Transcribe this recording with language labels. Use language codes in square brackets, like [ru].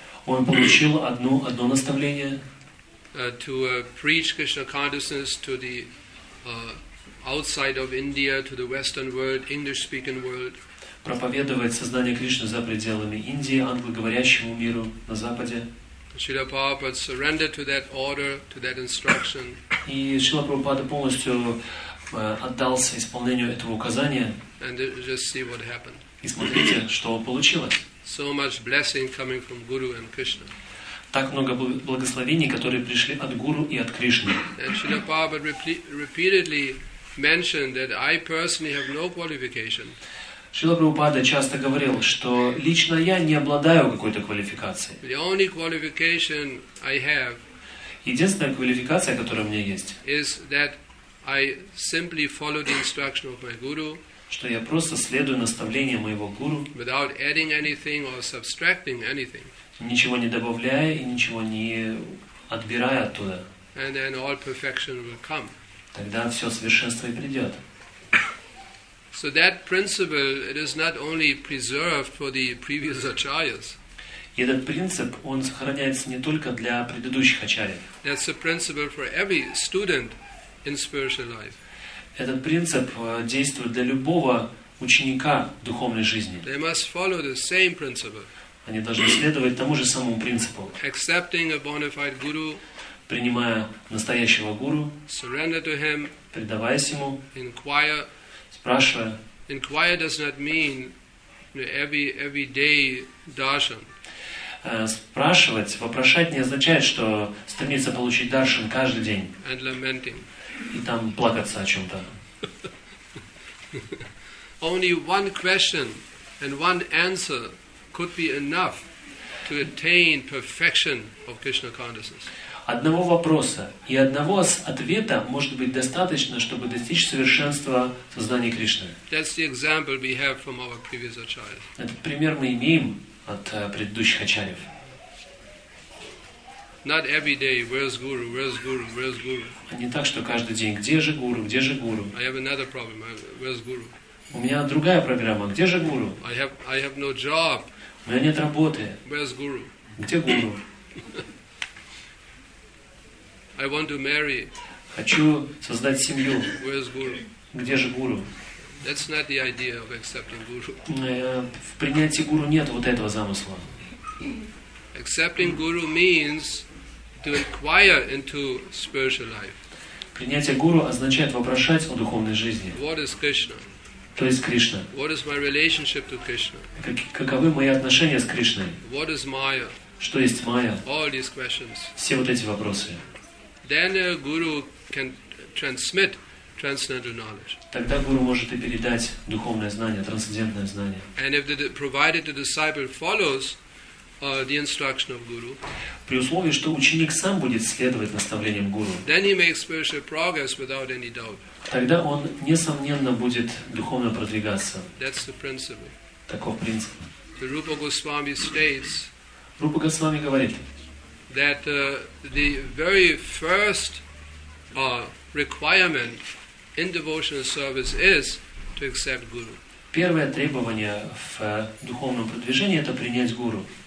[ru] Он получил одно наставление. [en] To preach Krishna consciousness to the outside of India, to the Western world, English-speaking world. [ru] Проповедовать сознание Кришны за пределами Индии, англоговорящему миру на Западе. [en] Srila Prabhupada surrendered to that order, to that instruction. [ru] И Шрила Прабхупада полностью отдался исполнению этого указания. [en] And just see what happened. [ru] И смотрите, что получилось. [en] So much blessing coming from Guru and Krishna. [ru] Так много благословений, которые пришли от Гуру и от Кришны. [en] And Srila Prabhupada repeatedly mentioned that I personally have no qualification. [ru] Шрила Прабхупада часто говорил, что лично я не обладаю какой-то квалификацией. [en] The only qualification I have. [ru] Единственная квалификация, которая у меня есть, [en] is that I simply follow the instruction of my guru. [ru] Что я просто следую наставлениям моего гуру. [en] Without adding anything or subtracting anything. [ru] Ничего не добавляя и ничего не отбирая оттуда. [en] And then all perfection will come. [ru] Тогда все совершенство и придет. [en] So that principle, it is not only preserved for the previous acharyas. [ru] Этот принцип, он сохраняется не только для предыдущих ачарий. [en] That's a principle for every student in spiritual life. [ru] Этот принцип действует для любого ученика в духовной жизни. [en] They must follow the same principle. [ru] Они должны следовать тому же самому принципу. [en] Accepting a bona fide guru. [ru] Принимая настоящего гуру. [en] Surrender to him. [ru] Предаваясь ему. [en] Inquire. [ru] Спрашивая. [en] Inquire does not mean, you know, every day darshan. [ru] Спрашивать, вопрошать не означает, что стремиться получить даршан каждый день. [en] And lamenting. [ru] И там плакаться о чем-то. [en] Only one question and one answer could be enough to attain perfection of Krishna consciousness. [ru] Одного вопроса и одного ответа может быть достаточно, чтобы достичь совершенства сознания Кришны. [en] That's the example we have from our previous acharyas. [ru] Этот пример мы имеем от предыдущих ачарьев. [en] Not every day, where's guru, where's guru, where's guru? [ru] Не так, что каждый день, где же гуру, где же гуру? [en] I have another problem, where's guru? [ru] У меня другая программа, где же гуру? [en] I have no job. [ru] У меня нет работы. [en] Where's guru? [ru] Где гуру? [en] I want to marry. [ru] Хочу создать семью. [en] Where's guru? [ru] Где же гуру? [en] That's not the idea of accepting guru. [ru] В принятии гуру нет вот этого замысла. [en] Accepting guru means to inquire into spiritual life. [ru] Принятие гуру означает вопрошать о духовной жизни. [en] What is Krishna? [ru] То есть Кришна. [en] What is my relationship to Krishna? [ru] Каковы мои отношения с Кришной? [en] What is Maya? [ru] Что есть Майя? [en] All these questions. [ru] Все вот эти вопросы. [en] Then a guru can transmit transcendental knowledge. [ru] Тогда гуру может и передать духовное знание, трансцендентное знание. [en] And if provided the disciple follows the instruction of guru. [ru] При условии, что ученик сам будет следовать наставлениям гуру. [en] Then he makes spiritual progress without any doubt. [ru] Тогда он несомненно будет духовно продвигаться. [en] That's the principle. [ru] Таков принцип. [en] The Rupa Goswami states. [ru] Рупа Госвами говорит. [en] That the very first requirement in devotional service is to accept guru. [ru] Первое требование в духовном продвижении это принять гуру.